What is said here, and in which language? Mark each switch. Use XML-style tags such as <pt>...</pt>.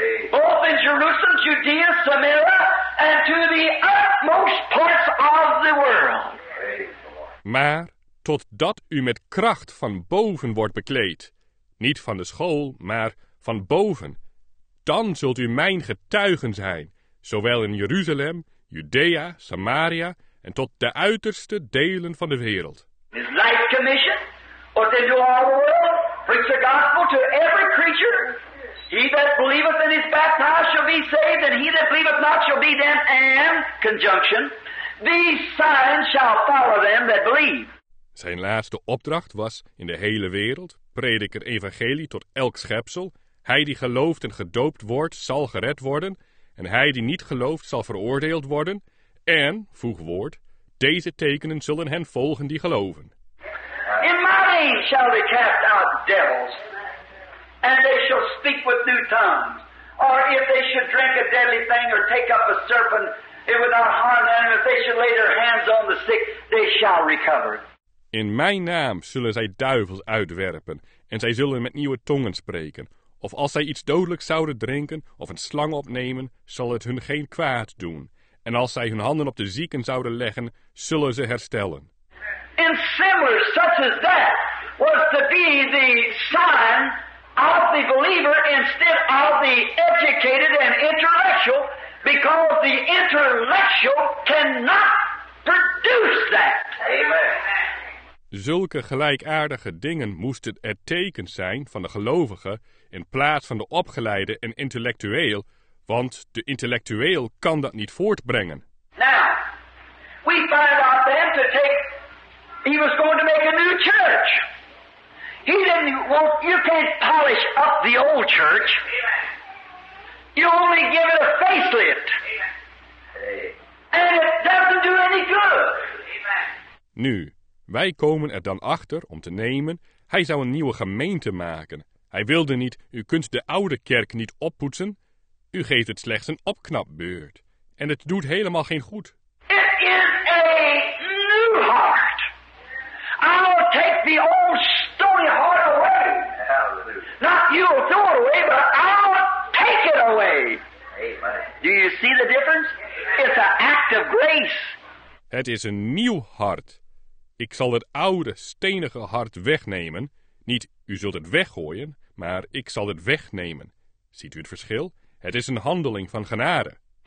<en>Both in Jerusalem, Judea, Samaria, and to the utmost parts of the world.</en> <nl>Maar totdat u met kracht van boven wordt bekleed, niet van de school, maar van boven, dan zult u mijn getuigen zijn, zowel in Jeruzalem, Judea, Samaria en tot de uiterste delen van de wereld.</nl> <en>His life commission, or to do all the world, preach the gospel to every creature. He that believeth and is baptized shall be saved, and he that believeth not shall be damned, and, conjunction, these signs shall follow them that believe.</en> <nl>Zijn laatste opdracht was, in de hele wereld, predik het evangelie tot elk schepsel, hij die gelooft en gedoopt wordt, zal gered worden, en hij die niet gelooft, zal veroordeeld worden, en, voeg woord, deze tekenen zullen hen volgen die geloven.</nl> <en>In my name shall they cast out devils, and they shall speak with new tongues. Or if they should drink a deadly thing or take up a serpent, it would not harm them. If they should lay their hands on the sick, they shall recover.</en> <nl>In mijn naam zullen zij duivels uitwerpen, en zij zullen met nieuwe tongen spreken. Of als zij iets dodelijks zouden drinken of een slang opnemen, zal het hun geen kwaad doen. En als zij hun handen op de zieken zouden leggen, zullen ze herstellen.</nl> <en>In similar, such as that, was to be the sign of the believer instead of the educated and intellectual, because the intellectual cannot produce that. Amen.</en> <nl>Zulke gelijkaardige dingen moesten het teken zijn van de gelovigen in plaats van de opgeleide en intellectueel, want de intellectueel kan dat niet voortbrengen.</nl> <en>Now, we find out then to take, he was going to make a new church. He didn't want, you can't polish up the old church. You only give it a facelift. And it doesn't do any good.</en> <nl>Nu, wij komen er dan achter om te nemen, hij zou een nieuwe gemeente maken. Hij wilde niet, u kunt de oude kerk niet oppoetsen. U geeft het slechts een opknapbeurt. En het doet helemaal geen goed.</nl> <en>It is a new heart. I'll take the old stony heart away. Not you'll throw it away, but I'll take it away. Do you see the difference? It's an act of grace.</en> <nl>Het is een nieuw hart. Ik zal het oude, stenige hart wegnemen. Niet, u zult het weggooien, maar ik zal het wegnemen. Ziet u het verschil? Het is een handeling van genade.</nl>